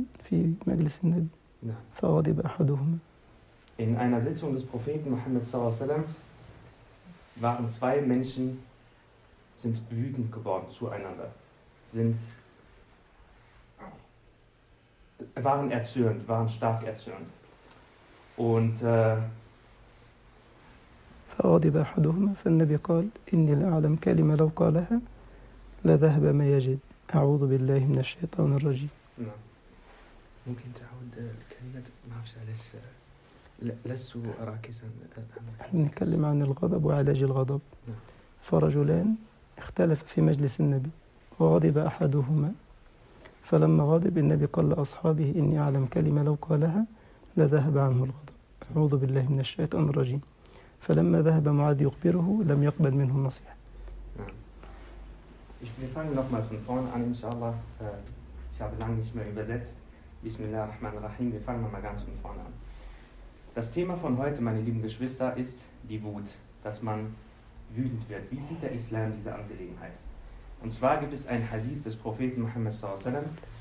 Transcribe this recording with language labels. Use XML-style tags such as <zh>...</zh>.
<de>in einer Sitzung des Propheten Muhammad sallallahu alaihi wasallam waren zwei Menschen sind wütend geworden zueinander, waren erzürnt, waren stark erzürnt. Und</de> <ar>فغضب أحدهما فالنبي قال إني لا أعلم كلمة لو قالها لذهب ما يجد أعوذ بالله من الشيطان الرجيم. ممكن تعود الكلمة ما أعرفش علاش لست راكزا الآن. نتكلم عن الغضب وعلاج الغضب. فرجلان اختلف في مجلس النبي وغضب أحدهما فلما غضب النبي قال لأصحابه إني أعلم كلمة لو قالها لذهب عنه الغضب أعوذ بالله من الشيطان الرجيم. فلما ذهب معاذ يخبره لم يقبل منه النصيحة.</ar> <de>Wir fangen nochmal von vorne an, inshallah. Ich habe lange nicht mehr übersetzt. Bismillah ar-Rahman ar-Rahim. Wir fangen nochmal ganz von vorne an. Das Thema von heute, meine lieben Geschwister, ist die Wut, dass man wütend wird. Wie sieht der Islam diese Angelegenheit? Und zwar gibt es ein Hadith des Propheten Muhammad sallallahu alaihi wasallam.</de>